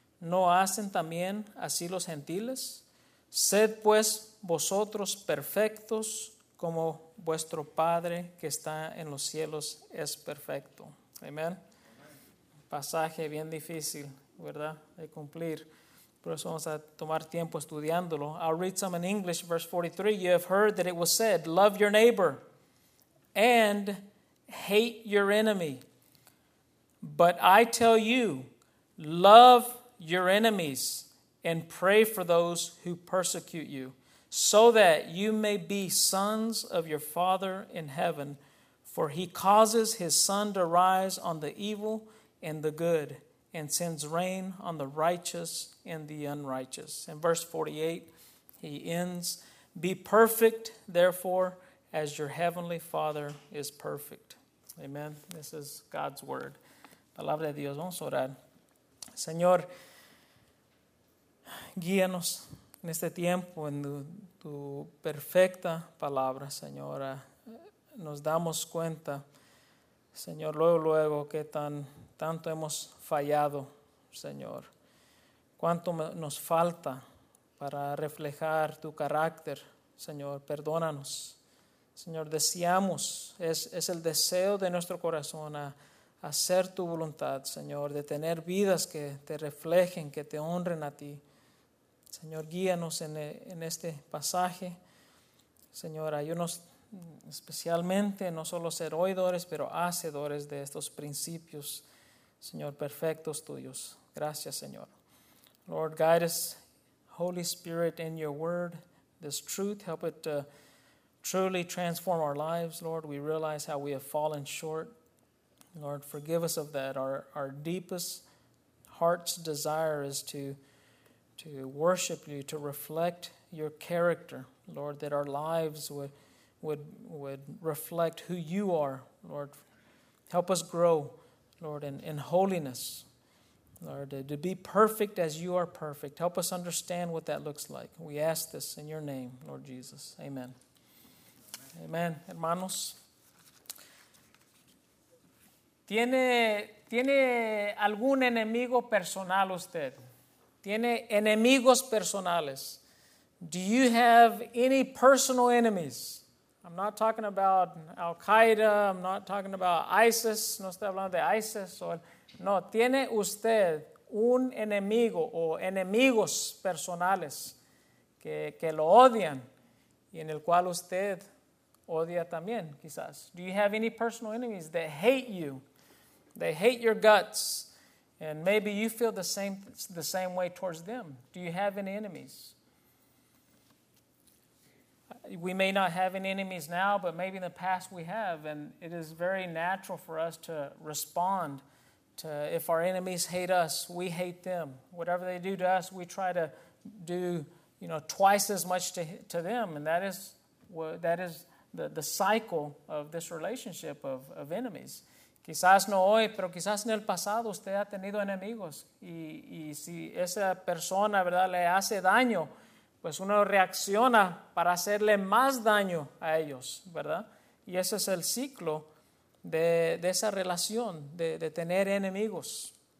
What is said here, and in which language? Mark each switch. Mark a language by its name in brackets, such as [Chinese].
[Spanish] ¿No hacen también así los gentiles? Sed pues vosotros perfectos como vuestro Padre que está en los cielos es perfecto. Amén. Pasaje bien difícil, ¿verdad?, de cumplir. Por eso vamos a tomar tiempo estudiándolo. [English] I'll read some in English. Verse 43, you have heard that it was said, love your neighbor and hate your enemy. But I tell you, love your enemies and pray for those who persecute you, so that you may be sons of your Father in heaven. For he causes his sun to rise on the evil and the good, and sends rain on the righteous and the unrighteous. In verse 48, he ends, be perfect, therefore, as your heavenly Father is perfect. [Spanish] Amen. [English] This is God's word. [Spanish] Palabra de Dios. Vamos a orar. Señor, guíanos en este tiempo en tu perfecta palabra, Señor. Nos damos cuenta, Señor, luego, que tanto hemos fallado, Señor. Cuánto nos falta para reflejar tu carácter, Señor. Perdónanos. Señor, deseamos, es el deseo de nuestro corazón a hacer tu voluntad, Señor, de tener vidas que te reflejen, que te honren a ti. Señor, guíanos en este pasaje. Señor, ayúdanos especialmente no solo ser oidores, pero hacedores de estos principios, Señor, perfectos tuyos. Gracias, Señor. [English] Lord, guide us, Holy Spirit, in your word, this truth. Help it to truly transform our lives, Lord. We realize how we have fallen short. Lord, forgive us of that. Our deepest heart's desire is to worship you, to reflect your character, Lord, that our lives would reflect who you are, Lord. Help us grow, Lord, in holiness, Lord, to be perfect as you are perfect. Help us understand what that looks like. We ask this in your name, Lord Jesus. [Spanish] Amen. Amen. Hermanos. Tiene ¿Tiene algún enemigo personal usted? ¿Tiene enemigos personales? [English] Do you have any personal enemies? I'm not talking about Al-Qaeda. I'm not talking about ISIS. [Spanish] No estoy hablando de ISIS. No, ¿tiene usted un enemigo o enemigos personales que lo odian y en el cual usted odia también, quizás? [English] Do you have any personal enemies that hate you? They hate your guts, and maybe you feel the same way towards them. Do you have any enemies? We may not have any enemies now, but maybe in the past we have, and it is very natural for us to respond to if our enemies hate us, we hate them. Whatever they do to us, we try to do, you know, twice as much to them, and that is the cycle of this relationship of enemies. [Spanish] Quizás no hoy, pero quizás en el pasado usted ha tenido enemigos. Y si esa persona, ¿verdad?, le hace daño, pues uno reacciona para hacerle más daño a ellos, ¿verdad? Y ese es el ciclo de esa relación, de tener enemigos.